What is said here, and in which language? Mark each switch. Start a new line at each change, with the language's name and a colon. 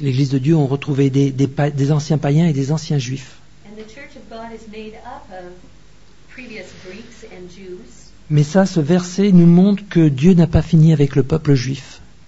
French: L'Église de Dieu ont retrouvé des anciens païens et des anciens Juifs.
English: And the Church of God is made up of previous Greeks and Jews.
French: Mais ça, ce verset nous montre que Dieu n'a pas fini avec le peuple juif.